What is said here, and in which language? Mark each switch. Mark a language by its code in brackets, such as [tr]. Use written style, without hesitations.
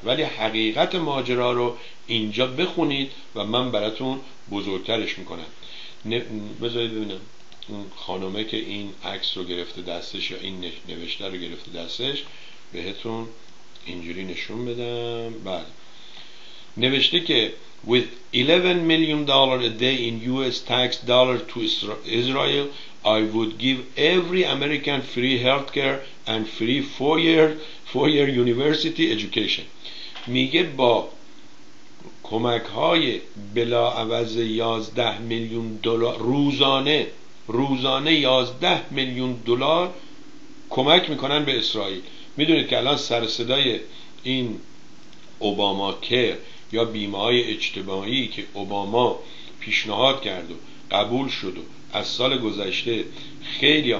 [fa] ولی حقیقت ماجرا رو اینجا بخونید و من براتون بزرگترش میکنم. بذارید ببینم اون خانومه که این عکس رو گرفته دستش یا این نوشته رو گرفته دستش بهتون اینجوری نشون بدم. بله، نوشته که [en] With $11 million a day in US tax dollars to Israel, I would give every American free healthcare and free four-year university education. [fa] میگه با کمک های بلا عوض 11 میلیون دلار روزانه 11 میلیون دلار کمک میکنن به اسرائیل. میدونید که الان سر صدای این اوباما کر یا بیمه های اجتماعی که اوباما پیشنهاد کرد و قبول شد و از سال گذشته خیلی ها.